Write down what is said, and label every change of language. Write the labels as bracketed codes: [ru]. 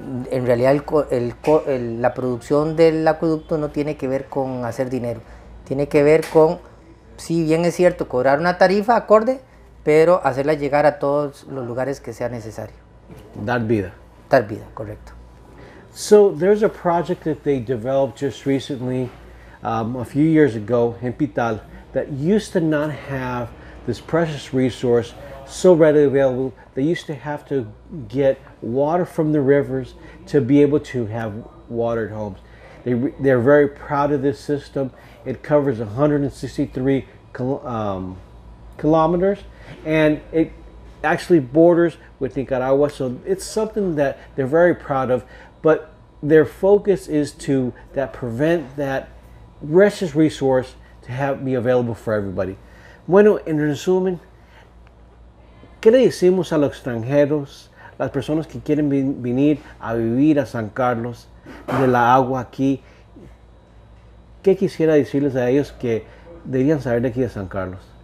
[es] En realidad, la producción del acueducto no tiene que ver con hacer dinero. Tiene que ver con, si bien es cierto, cobrar una tarifa acorde, pero hacerla llegar a todos los lugares que sea necesario. Dar vida. Dar vida, correcto. [en] So there's a project that they developed just recently, a few years ago, in Pital, that used to not have this precious resource so readily available. They used to have to get water from the rivers to be able to have watered homes. They're very proud of this system. It covers 163 kilometers. And it actually borders with Nicaragua, so it's something that they're very proud of. But their focus is to prevent that precious resource to have be available for everybody. [es] Bueno, en resumen, ¿qué le decimos a los extranjeros, las personas que quieren venir a vivir a San Carlos, de la agua aquí? ¿Qué quisiera decirles a ellos que deberían saber de aquí de San Carlos?